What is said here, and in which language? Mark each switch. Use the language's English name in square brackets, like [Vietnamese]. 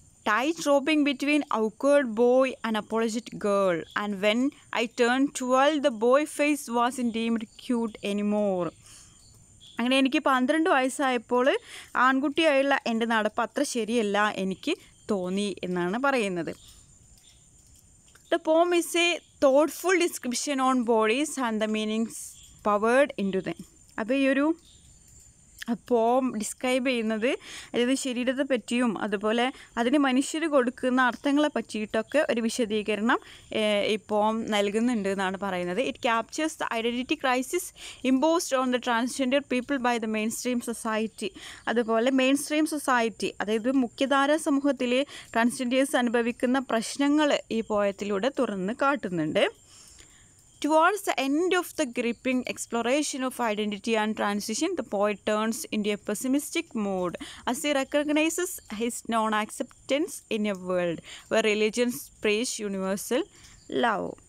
[English] tight roping between awkward boy and apologetic girl and when I turn 12 the boy face was in deemed cute anymore, [Malayalam] അങ്ങനെ എനിക്ക് 12 വയസ്സായപ്പോൾ ആൺകുട്ടിയായുള്ള എൻ്റെ നടപ്പ് അത്ര ശരിയല്ല എനിക്ക് തോന്നി എന്നാണ് പറയുന്നത്. [English] The poem is a thoughtful description on bodies and the meanings powered into them. [Malayalam] അപ്പോൾ ഈ ഒരു പോം ഡിസ്ക്രൈബ് ചെയ്യുന്നത് അതായത് ശരീരത്തെ പറ്റിയും അതുപോലെ അതിന് മനുഷ്യർ കൊടുക്കുന്ന അർത്ഥങ്ങളെ പറ്റിയിട്ടൊക്കെ ഒരു വിശദീകരണം ഈ പോം നൽകുന്നുണ്ട് എന്നാണ് പറയുന്നത്. [English] it captures the identity crisis imposed on the transgender people by the mainstream society, [Malayalam] അതുപോലെ മെയിൻ സ്ട്രീം സൊസൈറ്റി അതായത് മുഖ്യധാര സമൂഹത്തിലെ ട്രാൻസ്ജെൻഡേഴ്സ് അനുഭവിക്കുന്ന പ്രശ്നങ്ങൾ ഈ പോയത്തിലൂടെ തുറന്ന് കാട്ടുന്നുണ്ട്. [English] Towards the end of the gripping exploration of identity and transition, the poet turns into a pessimistic mood as he recognizes his non-acceptance in a world where religion preaches universal love.